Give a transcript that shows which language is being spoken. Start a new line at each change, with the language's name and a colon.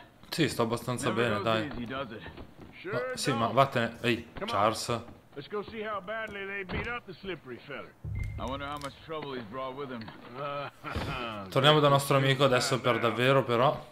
Italian: Sì, sto abbastanza bene, dai. Ma, sì, ma vattene. Ehi, Charles.
English: Let's go see how badly they beat up the slippery feller. I wonder how much trouble he's brought with him.
Italian: Torniamo da nostro amico adesso per davvero, però.